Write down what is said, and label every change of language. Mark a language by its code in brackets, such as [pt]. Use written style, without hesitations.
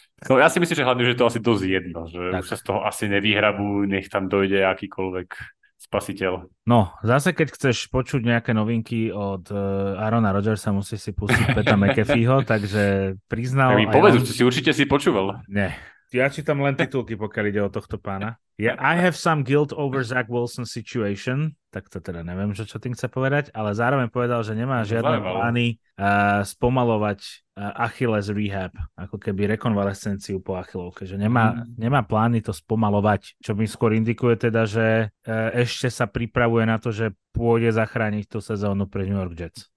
[sk] No, ja si myslím, že hlavne, že to asi dosť jedno, že tak. Už sa z toho asi nevyhrabú, nech tam dojde akýkoľvek spasiteľ. No, zase keď chceš počuť nejaké novinky od Aarona Rodgersa, musíš si pustiť Peta McAfeeho, takže priznal... Tak mi povedz, ja... si určite si počúval. Nie. Ja čítam len titulky, pokiaľ ide o tohto pána. [en] Ja, I have some guilt over Zach Wilson's situation. [sk] Tak to teda neviem, že čo tým chce povedať, ale zároveň povedal, že nemá žiadne plány spomalovať Achilles rehab, ako keby rekonvalescenciu po Achillovke, že nemá plány to spomalovať, čo mi skôr indikuje teda, že ešte sa pripravuje na to, že pôjde zachrániť tú sezónu pre New York Jets.